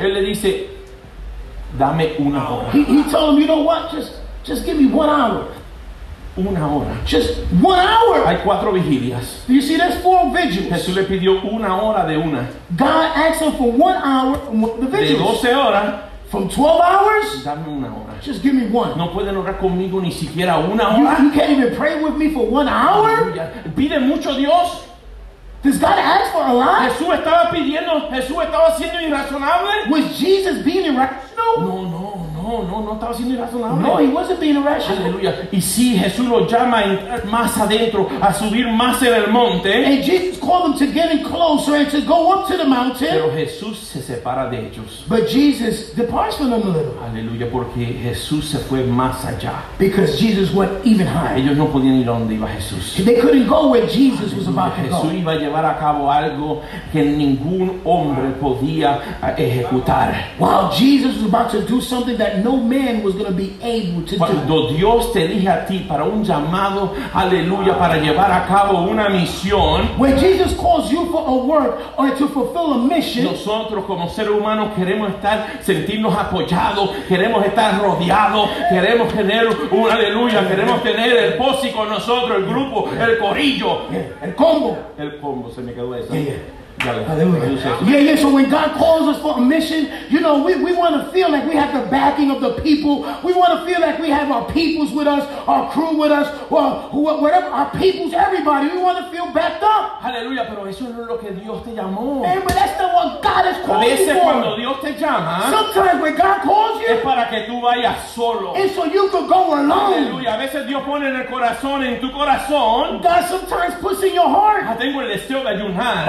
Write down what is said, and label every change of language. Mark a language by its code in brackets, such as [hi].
[es] Él le dice, dame una hora. [en] He told him, you know what? Just give me 1 hour. [es] Una hora. [en] Just 1 hour. [es] Hay cuatro vigilias. [en] Do you see, there's four vigils. [es] Jesús le pidió una hora de una. [en] God asked him for 1 hour of the vigils. [es] De 12 horas. [en] From 12 hours? [es] Dame una hora. [en] Just give me one. [es] No pueden orar conmigo ni siquiera una hora. [en] You can't even pray with me for 1 hour? [es] Aleluya. Pide mucho Dios. [en] Does God ask for a lot? [es] Jesús estaba pidiendo, Jesús estaba siendo irrazonable. [en] Was Jesus being irrational? [es] No, estaba siendo irrazonable. [en] No, he wasn't being irrational. [es] Aleluya. Y sí, Jesús lo llama a entrar más adentro, a subir más en el monte. [en] And Jesus called them to get in closer and to go up to the mountain. [es] Pero Jesús se separa de ellos. [en] But Jesus departs from them a little. [es] Aleluya, porque Jesús se fue más allá. [en] Because Jesus went even higher. [es] Ellos no podían ir donde iba Jesús. [en] They couldn't go where Jesus was about to go. [es] Jesús iba a llevar a cabo algo que ningún hombre podía ejecutar. [en] While Jesus was about to do something that no man was going to be able to [es] cuando [en] do. [es] Dios te dice a ti para un llamado, aleluya, para llevar a cabo una misión. [en] When Jesus calls you for a work or to fulfill a mission, [es] nosotros como seres humanos queremos estar, sentirnos apoyados, queremos estar rodeados, queremos tener un aleluya, queremos tener el posi con nosotros, el grupo, el corillo, el combo. El combo, se me quedó eso. [en] Yeah. So when God calls us for a mission, you know, we want to feel like we have the backing of the people. We want to feel like we have our peoples with us, our crew with us, whatever, our peoples, everybody. We want to feel backed up. [es] Hallelujah. Pero eso no es lo que Dios te llamó. [en] Amen. That's not what God has called. calls [es] a veces [en] you for. [es] Cuando Dios te llama, [en] sometimes when God calls you, [es] es para que tú vayas solo. [en] And so you can go alone. [es] Aleluya. A veces Dios pone en el corazón, en tu corazón. [en] God sometimes puts in your heart. [es] Ah, tengo el deseo de ayunar.